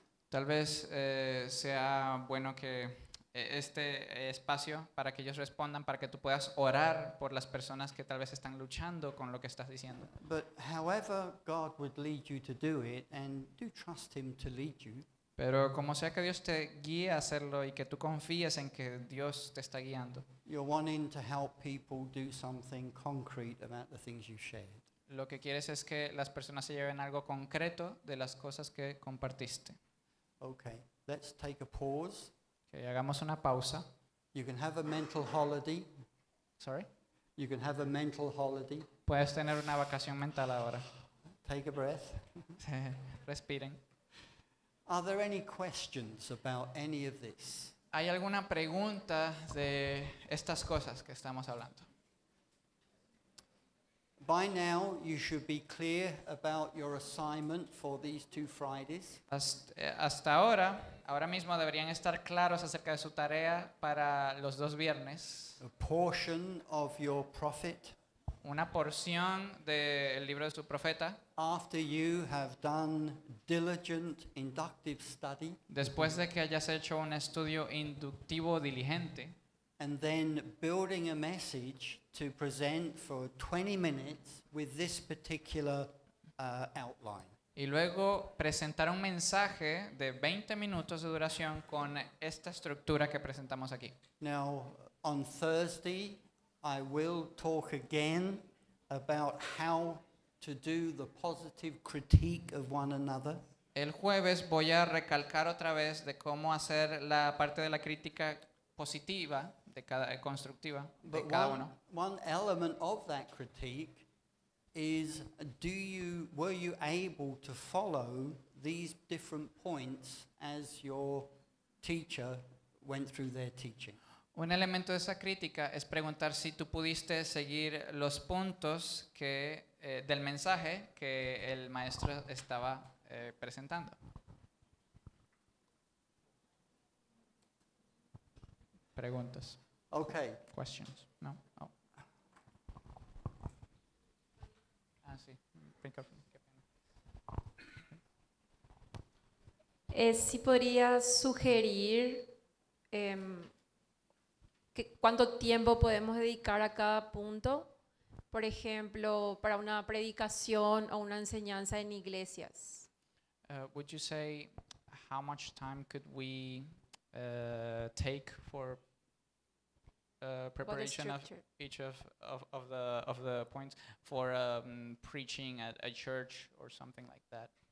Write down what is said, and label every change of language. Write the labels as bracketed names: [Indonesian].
[Spanish] Tal vez sea bueno que este espacio para que ellos respondan, para que tú puedas orar por las personas que tal vez están luchando con lo que estás diciendo. [English] But however God would lead you to do it, and do trust him to lead you. [Spanish] Pero como sea que Dios te guíe a hacerlo y que tú confíes en que Dios te está guiando. [English] You're wanting to help people do something concrete about the things you shared. [Spanish] Lo que quieres es que las personas se lleven algo concreto de las cosas que compartiste. [English] Okay, let's take a pause. [Spanish] Okay, hagamos una pausa. [English] You can have a mental holiday. Sorry? You can have a mental holiday. [Spanish] Puedes tener una vacación mental ahora. [English] Take a breath. [Spanish] Respiren. [English] Are there any questions about any of this? [Spanish] ¿Hay alguna pregunta de estas cosas que estamos hablando? [English] By now, you should be clear about your assignment for these two Fridays. [Spanish] Hasta ahora, ahora mismo deberían estar claros acerca de su tarea para los dos viernes. [English] A portion of your prophet. [Spanish] Una porción del libro de su profeta. [English] After you have done diligent inductive study. [Spanish] Después de que hayas hecho un estudio inductivo diligente. [English] And then building a message to present for 20 minutes with this particular outline. [Spanish] Y luego presentar un mensaje de 20 minutos de duración con esta estructura que presentamos aquí. [English] Now, on Thursday, I will talk again about how to do the positive critique of one another. [Spanish] El jueves voy a recalcar otra vez de cómo hacer la parte de la crítica positiva. De cada, constructiva, [English] but [Spanish] de cada [English] one, [Spanish] uno. [English] One element of that critique is, were you able to follow these different points as your teacher went through their teaching? [Spanish] Un elemento de esa crítica es preguntar si tú pudiste seguir los puntos que del mensaje que el maestro estaba presentando. Preguntas. [English] Okay. Questions? No. Oh. [Spanish] Ah, sí. [English] Bring up. [Spanish] Si podría sugerir que cuánto tiempo podemos dedicar a cada punto, por ejemplo, para una predicación o una enseñanza en iglesias. [English] Would you say how much time could we take for preparation of each of the points for preaching at a church or something like that.